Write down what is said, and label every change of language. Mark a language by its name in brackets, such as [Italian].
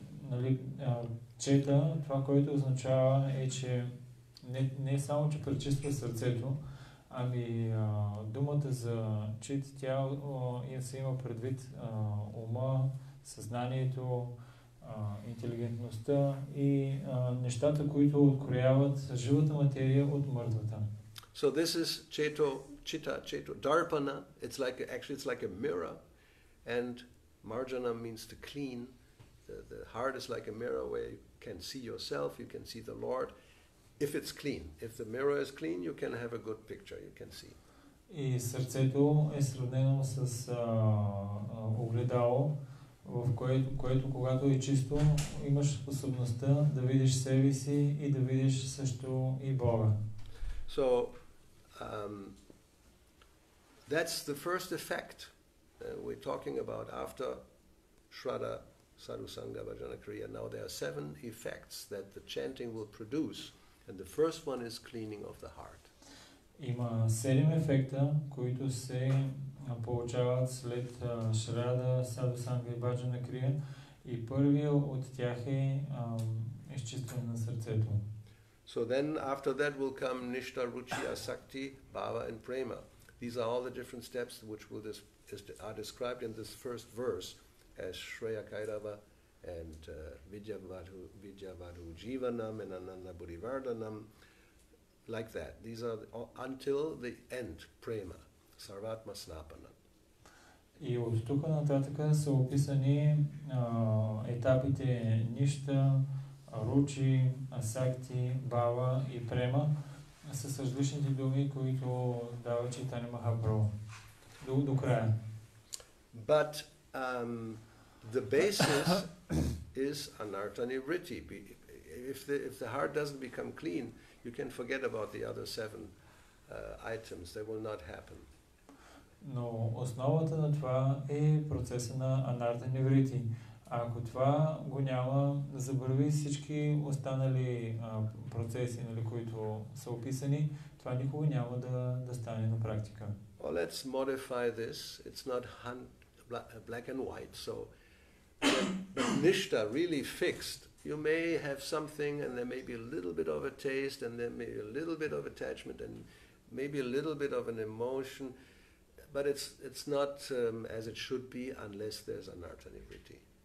[Bulgarian] Нали, чета, това, което означава е, че не само, че пречиства сърцето, ами думата за чит, тя се има предвид ума, съзнанието, интелигентността и нещата, които открояват живата материя от мъртвата. [English] So this is Cheto, Chita, Cheto, Darpana, it's like, actually it's like a mirror, and Marjana means to clean. The heart is like a mirror where you can see yourself, you can see the Lord, if it's clean. If the mirror is clean, you can have a good picture, you can see. [Bulgarian] И сърцето е сравнено с огледало, в което когато е чисто, имаш способността да видиш себе си и да видиш също и Бога. [English] So, that's the first effect we're talking about after Shraddha, Sadhu Sangha, Bhajana Kriya. Now there are seven effects that the chanting will produce, and the first one is cleaning of the heart. [Bulgarian] Има седем ефекта, които се получават след Shraddha, Sadhu Sangha и Bhajana Kriya, и първият от тях е изчистване на сърцето. [English] So then after that will come Nishtha, Ruchi, Asakti, Bhava and Prema. These are all the different steps which will are described in this first verse. As Shreya Kairava and Vidyavadhu Jivanam and Ananda Budivardhanam, like that. These are until the end, Prema, Sarvatma Snapanam. [Bulgarian] И от тук нататък са описани етапите Ништа, Ручи, Асакти, Бава и Према с различните думи, които дава Чайтанья Махапрабху до края. [English] But the basis is Anartani Vritti. If the heart doesn't become clean, you can forget about the other seven items. They will not happen. [Bulgarian] Но основата на това е процеса на Anartani Vritti. Ако това го няма, забрави всички останали процеси, нали, които са описани, това никога няма да стане на практика. [English] Well, let's modify this. It's not black and white, so Nishta, really fixed. You may have something and there may be a little bit of a taste and there may be a little bit of attachment and maybe a little bit of an emotion, but it's not as it should be unless there's Anartani Vritti.